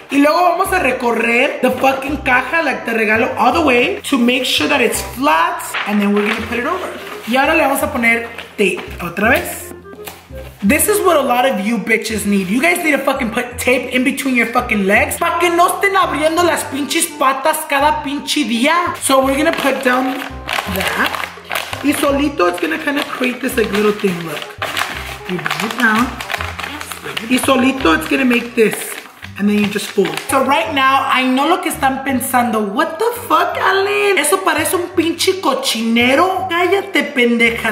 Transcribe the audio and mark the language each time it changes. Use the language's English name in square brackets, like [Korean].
[Spanish] Y luego vamos a recorrer [English] the fucking caja, like the regalo, all the way to make sure that it's flat. And then we're gonna put it over. [Spanish] Y ahora le vamos a poner [English] tape. [Spanish] Otra vez. [English] This is what a lot of you bitches need. You guys need to fucking put tape in between your fucking legs. [Spanish] Pa' que no estén abriendo las pinches patas cada pinche día. [English] So we're gonna put down that. [Spanish] Y solito [English] it's gonna kind of create this like little thing, look. You bring it down. [Spanish] Y solito [English] it's gonna make this. And then you just fold. So right now, I know [Spanish] lo que están pensando. [English] What the fuck, Alan? [Spanish] Eso parece un pinche cochinero. Cállate, pendeja.